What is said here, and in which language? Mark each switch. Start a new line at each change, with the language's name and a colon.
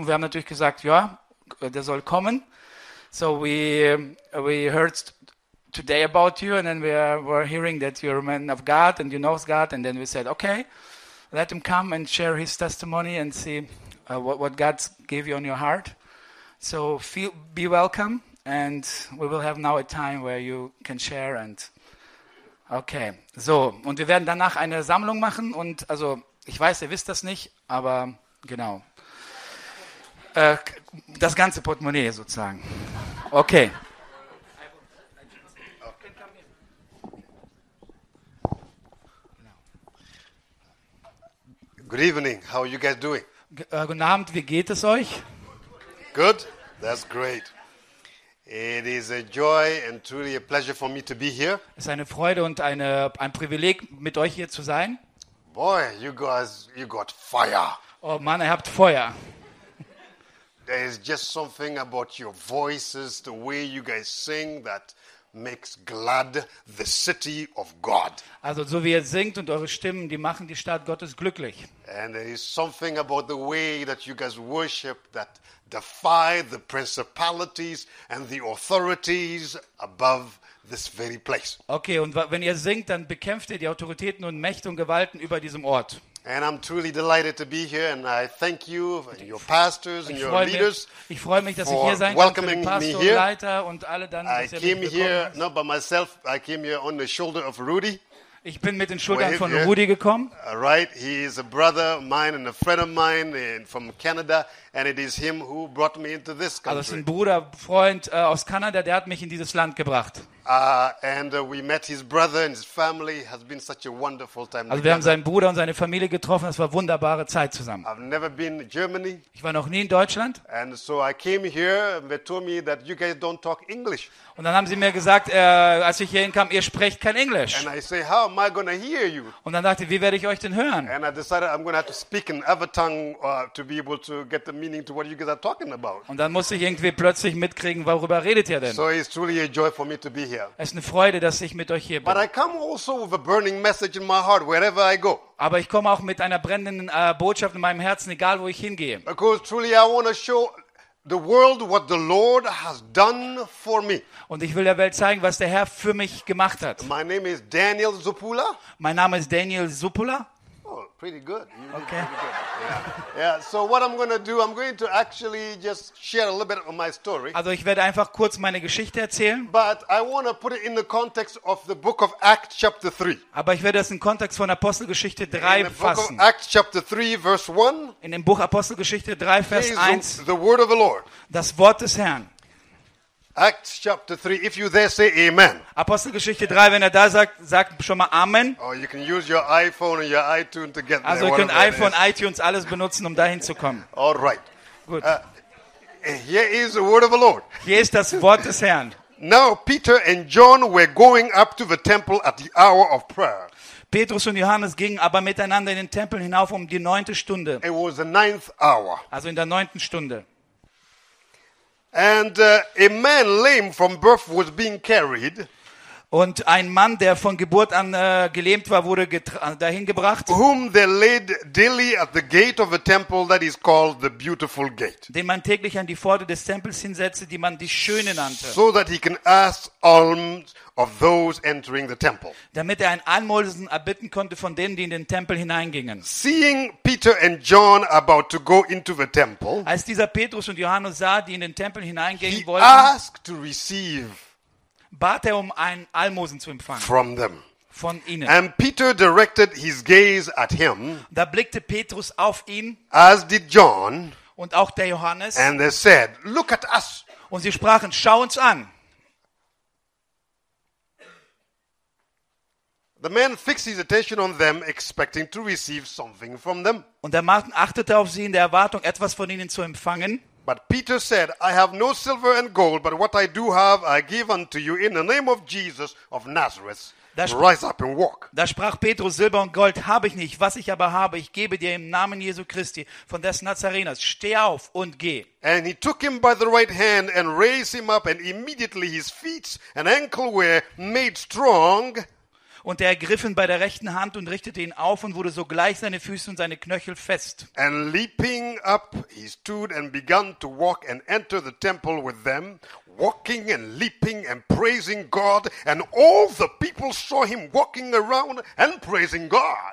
German: Und wir haben natürlich gesagt, ja, der soll kommen.
English: So we heard today about you and then we were hearing that you're a man of God and you know God. And then we said, okay, let him come and share his testimony and see what God gave you on your heart. So be welcome and we will have now a time where you can share and okay.
German: So, und wir werden danach eine Sammlung machen und also ich weiß, ihr wisst das nicht, aber genau. Das ganze Portemonnaie sozusagen. Okay.
English: Good evening. How are you guys doing?
German: Guten Abend, wie geht es euch?
English: Good. That's great. It is a joy and truly a pleasure for me to be here.
German: Es ist eine Freude und ein Privileg, mit euch hier zu sein.
English: Boy, you guys, you got fire.
German: Oh Mann, ihr habt Feuer.
English: There is just something about your voices, the way you guys sing, that makes glad the city of God.
German: Also so wie ihr singt und eure Stimmen, die machen die Stadt Gottes glücklich.
English: And there is something about the way that you guys worship that defy the principalities and the authorities above this very place.
German: Okay, und wenn ihr singt, dann bekämpft ihr die Autoritäten und Mächte und Gewalten über diesem Ort.
English: And I'm truly delighted to be here and I thank you and your pastors and your leaders.
German: Ich freue mich, dass ich hier sein kann für den Pastor und Leiter und alle dann, dass ihr mich willkommen.
English: Not by myself, I came here on the shoulder of Rudy.
German: Ich bin mit den Schultern von Rudy gekommen.
English: Right, he is a brother of mine and a friend of mine from Canada, and it is him who brought me into this country.
German: Also es ist ein Bruder, Freund aus Kanada, der hat mich in dieses Land gebracht. We met his brother and his family. It has been such a wonderful time. Also wir haben seinen Bruder und seine Familie getroffen. Es war wunderbare Zeit zusammen.
English: I've never been to Germany.
German: Ich war noch nie in Deutschland.
English: And so I came here. And they told me that you guys don't talk English.
German: Und dann haben sie mir gesagt, als ich hierhin kam, ihr sprecht kein Englisch.
English: And I say, how am I going to hear you?
German: Und dann dachte ich, wie werde ich euch denn hören?
English: And I decided I'm going to have to speak in other tongue to be able to get the meaning to what you guys are talking about.
German: Und dann musste ich irgendwie plötzlich mitkriegen, worüber redet ihr denn?
English: So it's truly a joy for me to be here.
German: Es ist eine Freude, dass ich mit euch hier bin.
English: But I come also with a burning message in my heart wherever I go.
German: Aber ich komme auch mit einer brennenden Botschaft in meinem Herzen, egal wo ich hingehe.
English: Because truly I want to show the world what the Lord has done for me.
German: Und ich will der Welt zeigen, was der Herr für mich gemacht hat.
English: My name is Daniel Zupula.
German: Mein Name ist Daniel Zupula.
English: Oh, pretty good. Okay. Yeah. So what I'm going to do, I'm going to actually just share a little bit of my story.
German: Also ich werde einfach kurz meine Geschichte erzählen.
English: But I want to put it in the context of the book of Acts chapter 3.
German: Aber ich werde das in Kontext von Apostelgeschichte 3 fassen.
English: In Acts chapter 3 verse 1.
German: In dem Buch Apostelgeschichte 3 Vers 1.
English: The word of the Lord.
German: Das Wort des Herrn.
English: Acts chapter 3, if you there say amen.
German: Apostelgeschichte 3, wenn er da sagt, sagt schon mal Amen.
English: Or you can use your iPhone or your iTunes to get there.
German: Also ihr könnt iPhone, iTunes, alles benutzen, um dahin zu kommen.
English: All right.
German: Gut.
English: Here is the word of the Lord.
German: Hier ist das Wort des Herrn.
English: Now Peter and John were going up to the temple at the hour of prayer.
German: Petrus und Johannes gingen aber miteinander in den Tempel hinauf um die neunte Stunde.
English: It was the ninth hour.
German: Also in der neunten Stunde.
English: And a man lame from birth was being carried.
German: Und ein Mann, der von Geburt an gelähmt war, wurde dahin gebracht.
English: Whom they laid daily at the gate of a temple that is called the Beautiful Gate.
German: Den man täglich an die Pforte des Tempels hinsetzte, die man die Schöne nannte.
English: So that he can ask alms of those entering the temple.
German: Damit er ein Almosen erbitten konnte von denen, die in den Tempel hineingingen.
English: Seeing Peter and John about to go into the temple.
German: Als dieser Petrus und Johannes sah, die in den Tempel hineingehen
English: he
German: wollten.
English: He asked to receive.
German: Bat er um ein Almosen zu empfangen.
English: From them.
German: Von ihnen.
English: And Peter directed his gaze at him.
German: Da blickte Petrus auf ihn.
English: As did John.
German: Und auch der Johannes.
English: And they said, look at us.
German: Und sie sprachen, schau uns an.
English: The man fixed his attention on them, expecting to receive something from them.
German: Und der Mann achtete auf sie in der Erwartung, etwas von ihnen zu empfangen.
English: But Peter said, I have no silver and gold, but what I do have, I give unto you in the name of Jesus of Nazareth. Rise up and walk.
German: Da sprach Petrus, Silber und Gold habe ich nicht, was ich aber habe, ich gebe dir im Namen Jesu Christi, von des Nazareners, steh auf und geh.
English: And he took him by the right hand and raised him up, and immediately his feet and ankle were made strong.
German: Und er ergriff ihn bei der rechten Hand und richtete ihn auf und wurde sogleich seine Füße und seine Knöchel fest.
English: And leaping up, he stood and began to walk and enter the temple with them, walking and leaping and praising God. And all the people saw him walking around and praising God.